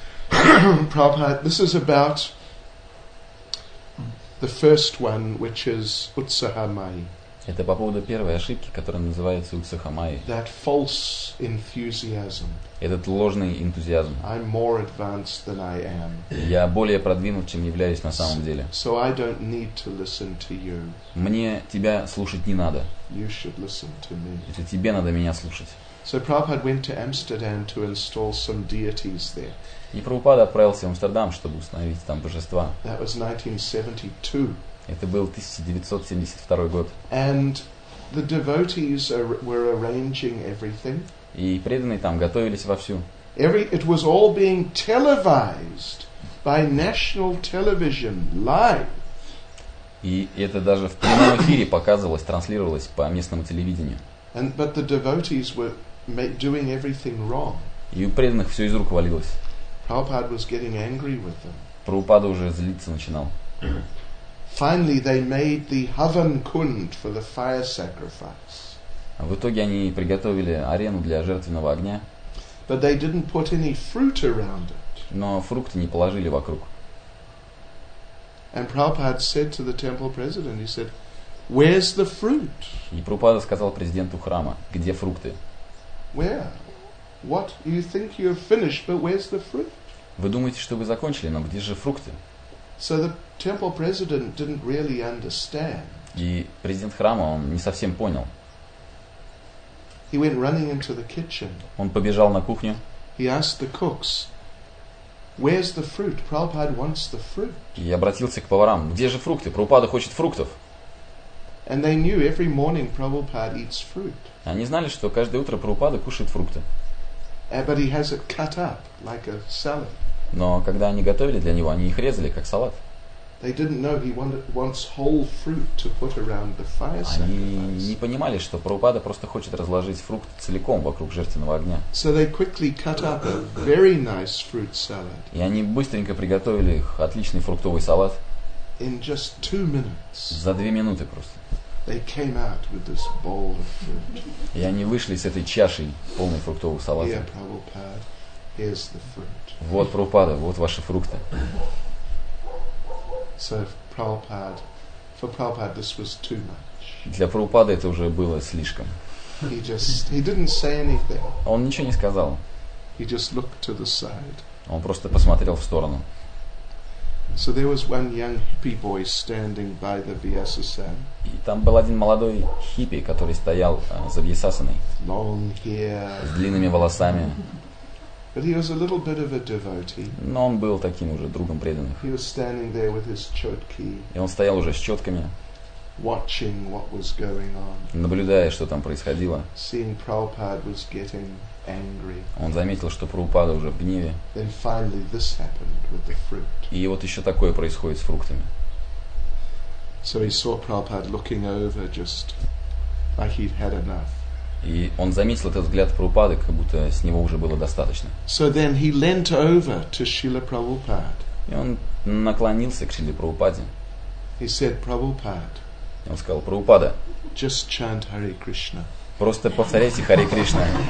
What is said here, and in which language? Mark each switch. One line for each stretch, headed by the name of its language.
English: Prabhupada, this is about the first one, which is Utsahamayi.
Russian: Это по поводу первой ошибки, которая называется Утсахамайи.
English: That false enthusiasm.
Russian: Этот ложный энтузиазм.
English: I'm more advanced than I am.
Russian: Я более продвинут, чем являюсь на самом деле.
English: So I don't need to listen to you.
Russian: Мне тебя слушать не надо.
English: You should listen to me.
Russian: Это тебе надо меня слушать.
English: So Prabhupada went to Amsterdam to install some deities there.
Russian: И Прабхупада отправился в Амстердам, чтобы установить там божества.
English: That was 1972.
Russian: Это был 1972 год.
English: And the devotees were arranging everything.
Russian: И преданные там готовились вовсю.
English: It was all being televised by national television live.
Russian: И это даже в прямом эфире показывалось, транслировалось по местному телевидению.
English: But the devotees were doing everything wrong.
Russian: И у преданных все из рук валилось.
English: Prabhupada was getting angry with them.
Russian: Прабхупада уже злиться начинал.
English: Finally, they made the havan kund for the fire sacrifice.
Russian: В итоге они приготовили арену для жертвенного огня.
English: But they didn't put any fruit around it.
Russian: Но фрукты не положили вокруг.
English: And Prabhupada said to the temple president, he said, "Where's the fruit?"
Russian: И Прабхупада сказал президенту храма, где фрукты?
English: Where? What? You think you're finished, but where's the fruit?
Russian: Вы думаете, что вы закончили, но где же фрукты?
English: So the temple president didn't really understand.
Russian: И президент храма, он не совсем понял.
English: He went running into the kitchen.
Russian: Он побежал на кухню.
English: He asked the cooks, "Where's the fruit? Prabhupada wants the fruit."
Russian: И обратился к поварам: "Где же фрукты? Прабхупада хочет фруктов."
English: And they knew every morning Prabhupada eats fruit.
Russian: Они знали, что каждое утро Прабхупада кушает фрукты.
English: But he has it cut up like a salad.
Russian: Но когда они готовили для него, они их резали как салат.
English: They didn't know he wants whole fruit to put around the fire sacrifice.
Russian: Они не понимали, что Прабхупада просто хочет разложить фрукт целиком вокруг жертвенного огня.
English: So they quickly cut up a very nice fruit salad.
Russian: И они быстренько приготовили отличный фруктовый салат.
English: In just 2 minutes.
Russian: За 2 минуты просто.
English: They came out with this bowl of fruit.
Russian: И они вышли с этой чашей полной фруктового салата.
English: Here, Prabhupada, here's the fruit.
Russian: Вот Прабхупада, вот ваши фрукты.
English: So Prabhupada, for Prabhupada, this was too much.
Russian: Для Прабхупады это уже было слишком.
English: He didn't say anything.
Russian: Он ничего не сказал.
English: He just looked to the side.
Russian: Он просто посмотрел в сторону.
English: So there was one young hippie boy standing by the Vyasasan.
Russian: И там был один молодой хиппи, который стоял за Вьясасаной.
English: Long hair.
Russian: С длинными волосами.
English: But he was a little bit of a devotee.
Russian: Но он был таким уже другом преданных.
English: He was standing there with his chotki.
Russian: И он стоял уже с четками.
English: Watching what was going on.
Russian: Наблюдая, что там происходило.
English: Seeing Prabhupada was getting angry.
Russian: Он заметил, что Прабхупада уже в гневе.
English: Then finally this happened with the fruit.
Russian: И вот еще такое происходит с фруктами.
English: So he saw Prabhupada looking over just like he'd had enough.
Russian: И он заметил этот взгляд Прабхупады, как будто с него уже было достаточно.
English: So then he leant over to Srila Prabhupada.
Russian: И он наклонился к Шриле Прабхупаде.
English: He said, "Prabhupada."
Russian: И он сказал: "Прабхупада."
English: Just chant Hare Krishna.
Russian: Просто повторяйте Харе Кришна.